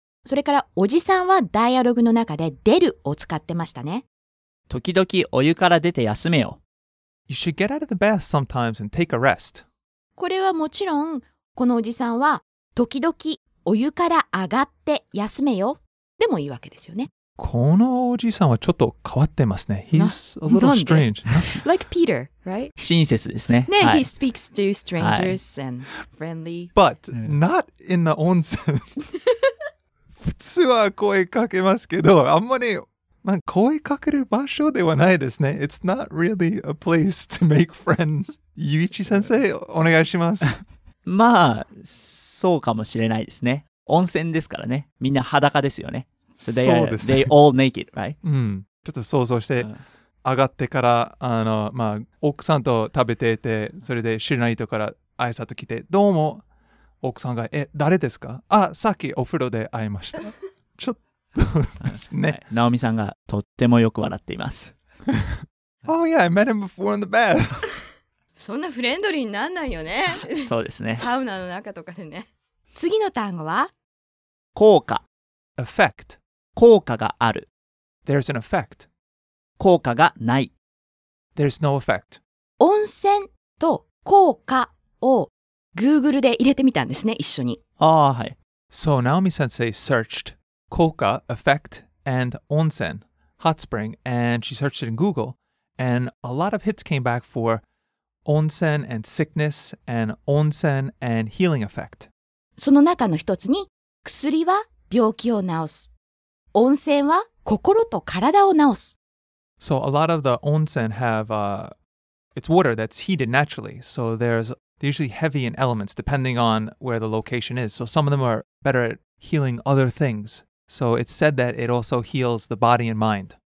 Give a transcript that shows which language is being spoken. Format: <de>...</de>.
<ja>それからおじさんはダイアログの中で出るを使ってましたね。時々お湯から出て休めよ。</ja> <en>You should get out of the bath sometimes and take a rest.</en> <ja>これはもちろん、このおじさんは時々お湯から上がって休めよ。でもいいわけですよね。このおじさんはちょっと変わってますね。</ja> <en>He's a little strange. Like Peter, right?</en> <ja>親切ですね。ね、はい、</ja> <en>he speaks to strangers、はい、and friendly. But not in the 温泉。</en> <ja>普通は声かけますけど、あんまり、まあ、声かける場所ではないですね。</ja> <en>It's not really a place to make friends.</en> <ja>ゆういち先生、お願いします。まあ、そうかもしれないですね。温泉ですからね。みんな裸ですよね。</ja> <en>So、they are,</en> <ja>そうですね。</ja> <en>They all naked, right?</en> <ja>うん。ちょっと想像して、上がってから、まあ、奥さんと食べていて、それで知らない人から挨拶来て、どうも、奥さんが、え、誰ですか？あ、さっきお風呂で会いました。ちょっとですね。ナオミさんがとってもよく笑っています。</ja> <en>Oh yeah, I met him before in the bath.</en> <ja>そんなフレンドリーになんないよね。そうですね。サウナの中とかでね。次の単語は？効果。</ja> <en>Effect.</en> <ja>効果がある。</ja> <en>There's an effect.</en> <ja>効果がない。</ja> <en>There's no effect.</en> <ja>温泉と効果を Google で入れてみたんですね、一緒に。ああ、はい。</ja> <en>So Naomi sensei searched 効果, effect, and 温泉, hot spring, and she searched it in Google, and a lot of hits came back for 温泉 and sickness, and 温泉 and healing effect.</en> <ja>その中の一つに、薬は病気を治す。温泉は心と体を治す。</ja> <en>So a lot of the onsen have, it's water that's heated naturally. So there's usually heavy in elements depending on where the location is. So some of them are better at healing other things. So it's said that it also heals the body and mind.</en>